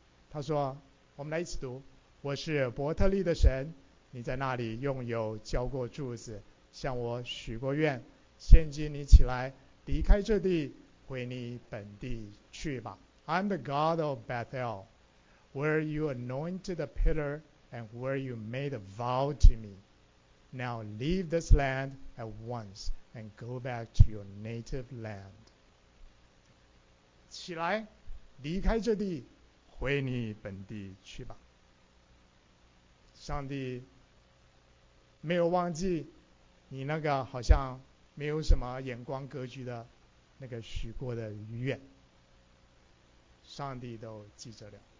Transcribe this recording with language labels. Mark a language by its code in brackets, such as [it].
[zh] 他说，我们来一起读。” 我是伯特利的神，你在那里用油浇过柱子，向我许过愿，现今你起来离开这地，回你本地去吧。 [en] I'm the God of Bethel, where you anointed a pillar and where you made a vow to me. Now leave this land at once and go back to your native land. [zh] 起来离开这地，回你本地去吧。上帝没有忘记你那个好像没有什么眼光格局的那个许过的愿，上帝都记着了。